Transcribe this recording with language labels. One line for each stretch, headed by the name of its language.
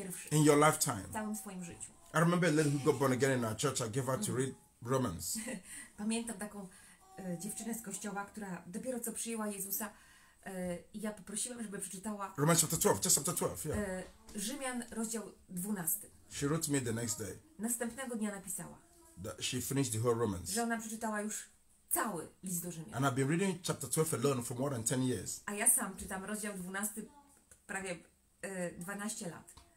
English: in your lifetime. I remember a lady who got born again in our church. I gave her to read Romans.
Polish: Pamiętam taką dziewczynę z kościoła, która dopiero co przyjęła Jezusa. Ja poprosiłam, żeby przeczytała
English: Romans chapter 12, just chapter 12, yeah.
Polish: Rzymian rozdział 12.
English: She wrote me the next day.
Polish: Następnego dnia napisała.
English: That she finished the whole Romans.
Polish: Że ona przeczytała już cały list do Rzymian.
English: And I've been reading chapter 12 alone for more than 10 years.
Polish: A ja sam czytam rozdział 12 prawie 12 lat.